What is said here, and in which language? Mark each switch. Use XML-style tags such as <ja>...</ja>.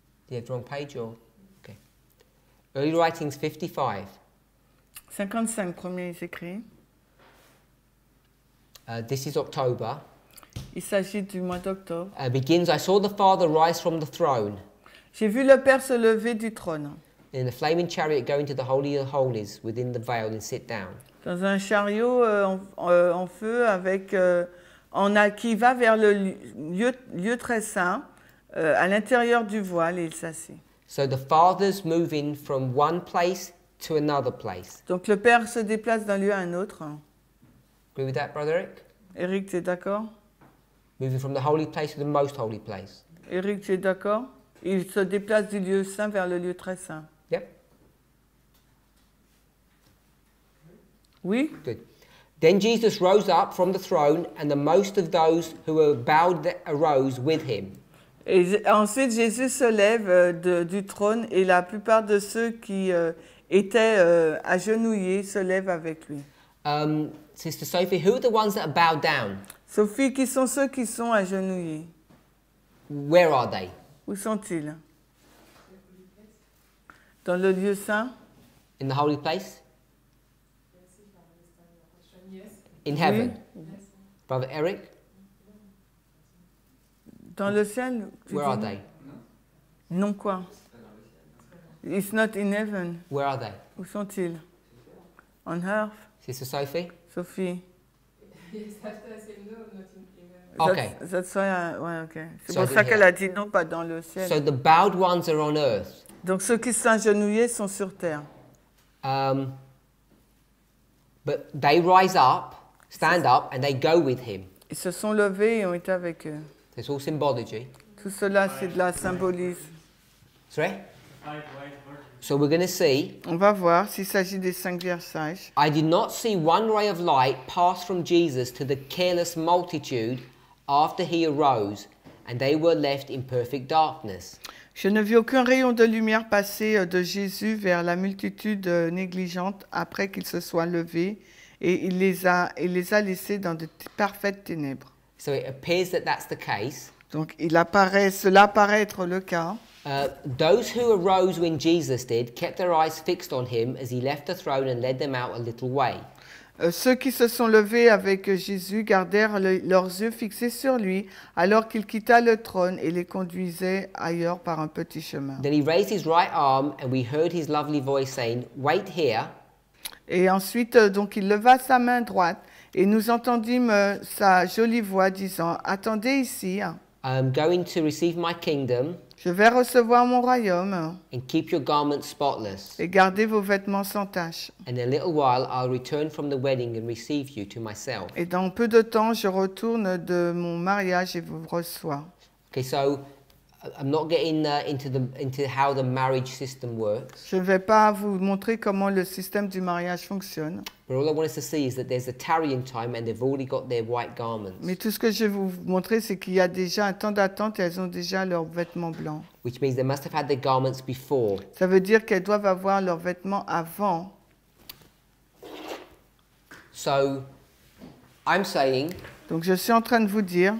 <en>55. Do you have the wrong page or? Okay. Early writings 55.</en> <fr>55 premiers écrits.</fr> <en>This is October.</en> <fr>Il s'agit du mois d'octobre.</fr> <en>Begins, I saw the Father rise from the throne.</en> <fr>J'ai vu le Père se lever du trône.</fr> <en>In a flaming chariot going to the Holy of Holies within the veil and sit down.</en> <fr>Dans un chariot en feu avec qui va vers le lieu très saint à l'intérieur du voile et il s'assied.</fr> <en>So the Father's moving from one place to another place.</en> <fr>Donc le Père se déplace d'un lieu à un autre.</fr> <en>Agree with that, Brother Eric?</en> <fr>Eric, t'es d'accord?</fr> <en>Moving from the holy place to the most holy place.</en> <fr>Eric, tu es d'accord? Il se déplace du lieu saint vers le lieu très saint.</fr> <en>Yep.</en> <fr>Oui?</fr> <en>Good. Then Jesus rose up from the throne, and the most of those who were bowed arose with him.</en> <fr>Et ensuite, Jésus se lève du trône, et la plupart de ceux qui étaient agenouillés se lèvent avec lui.</fr> <en>Sister Sophie, who are the ones that are bowed down?</en> <fr>Sophie, qui sont ceux qui sont agenouillés?</fr> <en>Where are they?</en> <fr>Où sont-ils? Dans le lieu saint?</fr> <en>In the holy place? In heaven?</en> <fr>Oui.</fr> <en>Brother Eric?</en> <fr>Dans le ciel?</fr> <en>Where are they?</en> <fr>Non quoi?</fr> <en>It's not in heaven. Where are they?</en> <fr>Où sont-ils?</fr> <en>On earth? Sister Sophie?</en> <fr>Sophie?</fr> <en>Yes, after I say no, not in heaven. Okay. That's why, okay.</en> <fr>C'est pour ça qu'elle a dit non, pas dans le ciel.</fr> <en>So the bowed ones are on earth.</en> <fr>Donc ceux qui sont agenouillés sont sur terre.</fr> <en>But they rise up, stand up, and they go with him.</en> <fr>Ils se sont levés et ont été avec eux.</fr> <en>It's all symbology.</en> <fr>Tout cela, c'est de la symbolisme.</fr> <en>Sorry? So we're going to see.</en> <fr>On va voir s'il s'agit des cinq vierges sages.</fr> <en>I did not see one ray of light pass from Jesus to the careless multitude after he arose, and they were left in perfect darkness.</en> <fr>Je ne vis aucun rayon de lumière passer de Jésus vers la multitude négligente après qu'il se soit levé, et il les a laissés dans de parfaites ténèbres.</fr> <en>So it appears that that's the case.</en> <fr>Donc cela paraît être le cas.</fr> <en>Those who arose when Jesus did kept their eyes fixed on him as he left the throne and led them out a little way.</en> <fr>Ceux qui se sont levés avec Jésus gardèrent leurs yeux fixés sur lui alors qu'il quitta le trône et les conduisait ailleurs par un petit chemin.</fr> <en>Then he raised his right arm and we heard his lovely voice saying, "Wait here."</en> <fr>Et ensuite, donc, il leva sa main droite et nous entendîmes sa jolie voix disant, "Attendez ici."</fr> <en>I'm going to receive my kingdom.</en> <fr>Je vais recevoir mon royaume.</fr> <en>And keep your garments spotless.</en> <fr>Et gardez vos vêtements sans tache.</fr> <en>And in a little while, I'll return from the wedding and receive you to myself.</en> <fr>Et dans peu de temps, je retourne de mon mariage et vous reçois.</fr> <en>Okay, so I'm not getting into how the marriage system works.</en> <fr>Je ne vais pas vous montrer comment le système du mariage fonctionne.</fr> <en>But all I want us to see is that there's a tarrying time and they've already got their white garments.</en> <fr>Mais tout ce que je vais vous montrer, c'est qu'il y a déjà un temps d'attente et elles ont déjà leurs vêtements blancs.</fr> <en>Which means they must have had their garments before.</en> <fr>Ça veut dire qu'elles doivent avoir leurs vêtements avant.</fr> <en>So, I'm saying.</en> <fr>Donc je suis en train de vous dire.</fr>